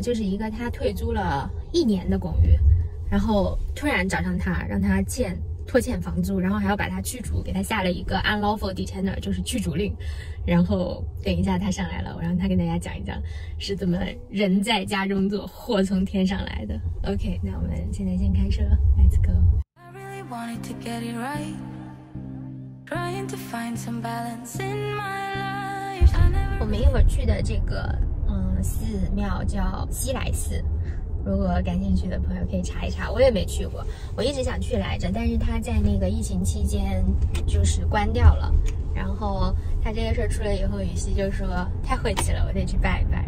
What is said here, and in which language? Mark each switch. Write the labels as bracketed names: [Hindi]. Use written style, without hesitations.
[Chinese] 就是一个他退租了一年的公寓，然后突然找上他，让他拖欠房租，然后还要把他驱逐，给他下了一个 unlawful detainer， 就是驱逐令。然后等一下他上来了，我让他跟大家讲一讲是怎么人在家中坐，祸从天上来的。 OK， 那我们现在先开车， [English] Let's go。 I really wanted to get it right， trying to find some balance in my life。 [Chinese] 我们一会儿去的这个寺庙叫西来寺，如果感兴趣的朋友可以查一查，我也没去过，我一直想去来着，但是他在那个疫情期间就是关掉了。然后他这个事儿出来以后，雨熙就说太晦气了，我得去拜一拜。